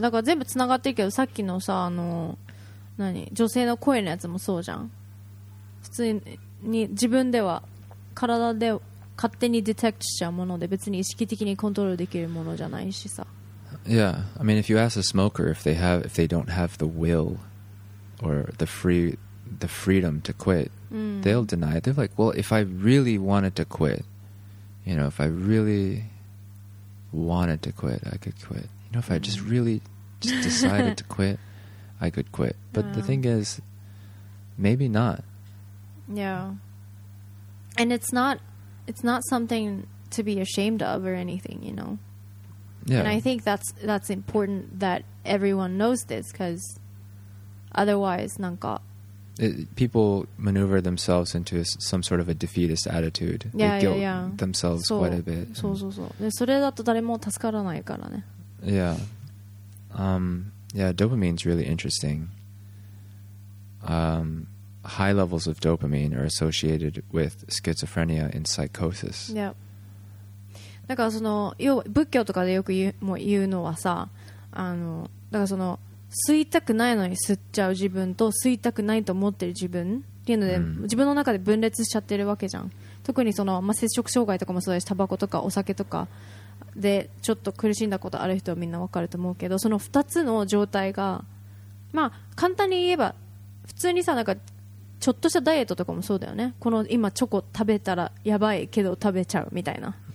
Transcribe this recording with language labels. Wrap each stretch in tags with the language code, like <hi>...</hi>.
<ja>だから全部つながってるけど、さっきのさ、あの、何、女性の声のやつもそうじゃん。普通に自分では体で勝手にディテクトしちゃうもので、別に意識的にコントロールできるものじゃないしさ。</ja> <en>Yeah. I mean, if you ask a smoker if they don't have the will or the freedom to quit, they'll deny it. They're like, well, if I really wanted to quit, you know, if I really wanted to quit, I could quit. You know, if I just really just decided to quit, I could quit. But the thing is, maybe not. Yeah. And it's not something to be ashamed of or anything, you know. Yeah. And I think that's important that everyone knows this, because otherwise, なんか People maneuver themselves into some sort of a defeatist attitude. Yeah, they guilt yeah. themselves quite a bit.</en> <ja>そうそうそう。で、それだと誰も助からないからね。</ja> <en>Yeah. Yeah, dopamine's really interesting. High levels of dopamine are associated with schizophrenia and psychosis. Yeah.</en> <ja>だからその、要は仏教とかでよく言う、もう言うのはさ、あの、だからその吸いたくないのに吸っちゃう自分と吸いたくないと思ってる自分っていうので、自分の中で分裂しちゃってるわけじゃん。特にその、まあ、摂食障害とかもそうだし、タバコとかお酒とかでちょっと苦しんだことある人はみんなわかると思うけど、その2つの状態が、まあ簡単に言えば普通にさ、なんかちょっとしたダイエットとかもそうだよね。この今チョコ食べたらやばいけど食べちゃうみたいな、</ja>